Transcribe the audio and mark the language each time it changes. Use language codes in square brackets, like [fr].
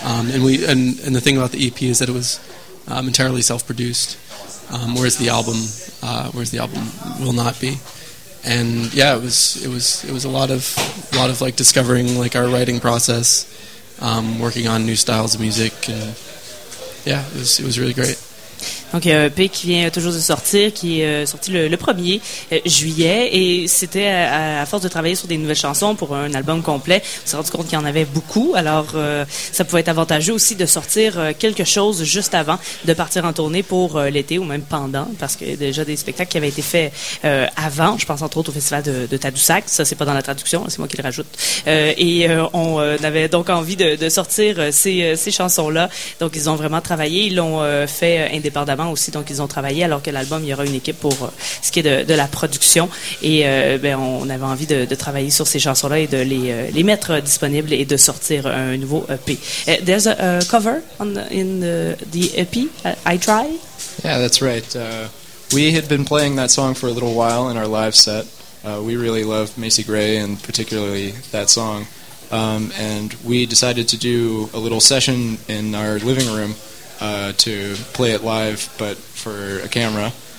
[en] And the thing about the EP is that it was entirely self-produced, whereas the album will not be. And yeah, it was a lot of like discovering like our writing process, working on new styles of music, and yeah, it was really great. [fr] Donc, il y a un EP qui vient toujours de sortir, qui est sorti le 1er juillet, et c'était à force de travailler sur des nouvelles chansons pour un album complet, on s'est rendu compte qu'il y en avait beaucoup, alors ça pouvait être avantageux aussi de sortir quelque chose juste avant de partir en tournée pour l'été ou même pendant, parce qu'il y a déjà des spectacles qui avaient été faits avant, je pense entre autres au festival de Tadoussac, ça c'est pas dans la traduction, c'est moi qui le rajoute, on avait donc envie de sortir ces chansons-là, donc ils ont vraiment travaillé, ils l'ont fait indépendamment aussi, donc ils ont travaillé, alors que l'album, il y aura une équipe pour ce qui est de la production et on avait envie de travailler sur ces chansons-là et de les mettre disponibles et de sortir un nouveau EP. [en] There's a cover in the EP, I Try? Yeah, that's right. We had been playing that song for a little while in our live set. We really love Macy Gray and particularly that song. And we decided to do a little session in our living room to play it live, but for a camera.